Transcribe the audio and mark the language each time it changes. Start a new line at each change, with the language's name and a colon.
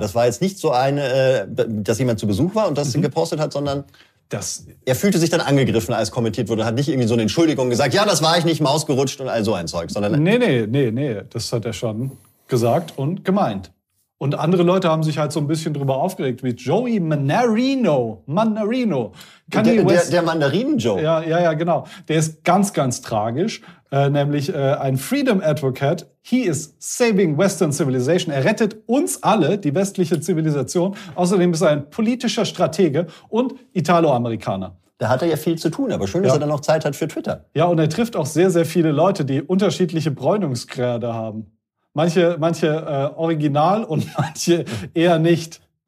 German: Das war jetzt nicht so eine, dass jemand zu Besuch war und das gepostet hat, sondern er fühlte sich dann angegriffen, als kommentiert wurde. Hat nicht irgendwie so eine Entschuldigung gesagt, ja, das war ich nicht, Maus gerutscht und all so ein Zeug. Sondern Nee, das hat er schon gesagt und gemeint. Und andere Leute haben sich halt so ein bisschen drüber aufgeregt, wie Joey Mandarino. Der Mandarinen-Joe. Ja, genau. Der ist ganz, ganz tragisch. Nämlich ein Freedom Advocate.
English: He is saving Western Civilization.
German: Er rettet uns alle, die westliche Zivilisation. Außerdem ist er ein politischer Stratege und Italo-Amerikaner. Da hat er ja viel zu tun, aber schön, dass er dann noch Zeit hat für Twitter. Ja, und er trifft auch sehr, sehr viele Leute, die unterschiedliche Bräunungsgrade haben. Manche original und manche eher nicht.